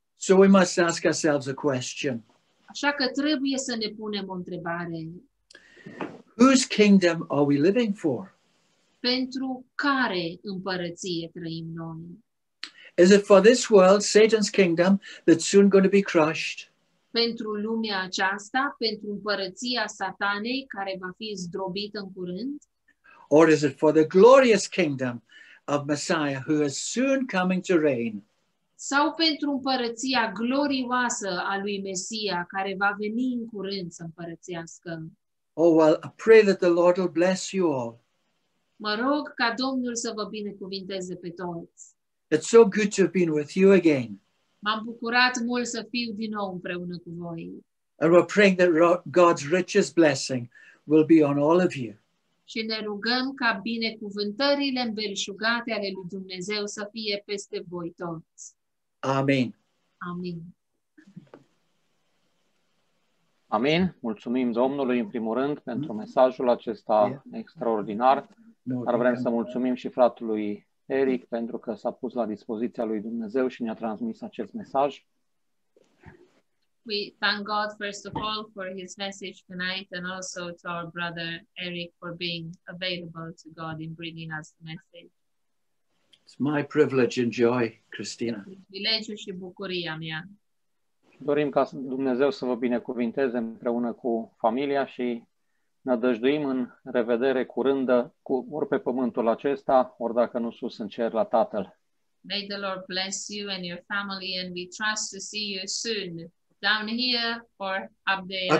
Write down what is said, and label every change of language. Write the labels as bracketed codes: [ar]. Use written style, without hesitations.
[en] So we must ask ourselves a question. [ro] Așa că trebuie să ne punem o întrebare. [en] Whose kingdom are we living for? [ro] Pentru care împărăție trăim noi? [en] Is it for this world, Satan's kingdom, that's soon going to be crushed? [ro] pentru lumea aceasta, pentru împărăția Satanei care va fi zdrobită în curând? [en] Or is it for the glorious kingdom of Messiah who is soon coming to reign? [ro] Sau pentru împărăția glorioasă a lui Mesia care va veni în curând să împărățească? [en] Oh, well, I pray that the Lord will bless you all. [ro] Mă rog ca Domnul să vă binecuvinteze pe toți. [en] It's so good to have been with you again. [ro] M-am bucurat mult să fiu din nou împreună cu voi. [en] And we're praying that God's richest blessing will be on all of you. [ro] Și ne rugăm ca binecuvântările îmbelșugate ale lui Dumnezeu să fie peste voi toți. Amin. Amin. Amin. Mulțumim Domnului în primul rând pentru mesajul acesta extraordinar. Dar vrem să mulțumim și fratului Eric pentru că s-a pus la dispoziția lui Dumnezeu și ne-a transmis acest mesaj. [en] We thank God first of all for his message tonight and also to our brother Eric for being available to God in bringing us the message. It's my privilege and joy, Cristina. [ro] Privilegiu și bucuria mea. Dorim ca Dumnezeu să vă binecuvinteze împreună cu familia și nădăjduim în revedere curândă cu ori pe pământul acesta, ori dacă nu sus în cer la Tatăl. [en] May the Lord bless you and your family and we trust to see you soon down here or up there.